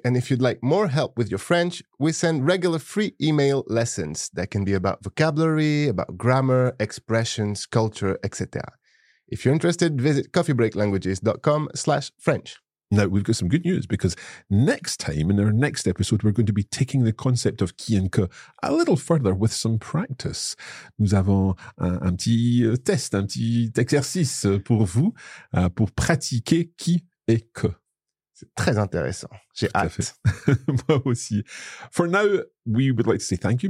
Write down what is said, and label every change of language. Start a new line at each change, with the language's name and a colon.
English: And if you'd like more help with your French, we send regular free email lessons that can be about vocabulary, about grammar, expressions, culture, etc. If you're interested, visit coffeebreaklanguages.com/French. Now, we've got some good news because next time, in our next episode, we're going to be taking the concept of qui and que a little further with some practice.
French: Nous avons un petit test, un petit exercice pour vous pour pratiquer qui et que. C'est très intéressant. J'ai hâte. Tout à fait. Moi aussi.
English: For now, we would like to say thank you.